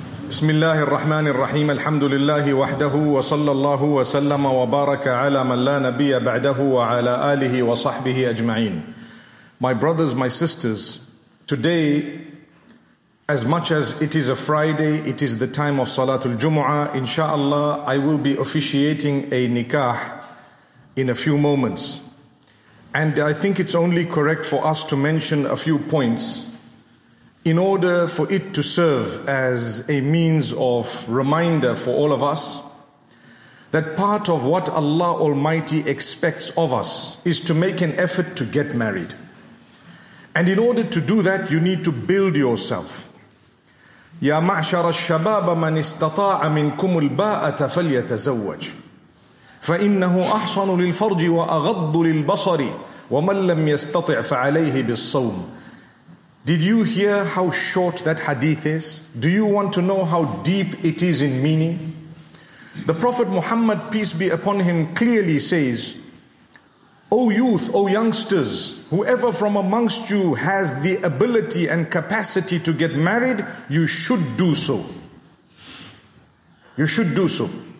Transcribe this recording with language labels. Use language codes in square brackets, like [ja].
[ar] بسم الله الرحمن الرحيم الحمد لله وحده وصلى الله وسلم وبارك على من لا نبي بعده وعلى آله وصحبه أجمعين. [en] My brothers, my sisters, today, as much as it is a Friday, it is the time of Salatul Jumu'ah. Insha'Allah, I will be officiating a nikah in a few moments. And I think it's only correct for us to mention a few points in order for it to serve as a means of reminder for all of us that part of what Allah Almighty expects of us is to make an effort to get married. And in order to do that, you need to build yourself. [ar] Ya ma'shara al-shabab man istata'a minkum al-ba'ata falyatazawwaj. فإنه أحصن للفرج وأغض للبصر ومن لم يستطع فعليه بالصوم. [en] Did you hear how short that hadith is? Do you want to know how deep it is in meaning? The Prophet Muhammad, peace be upon him, clearly says, O youth, O youngsters, whoever from amongst you has the ability and capacity to get married, you should do so. You should do so.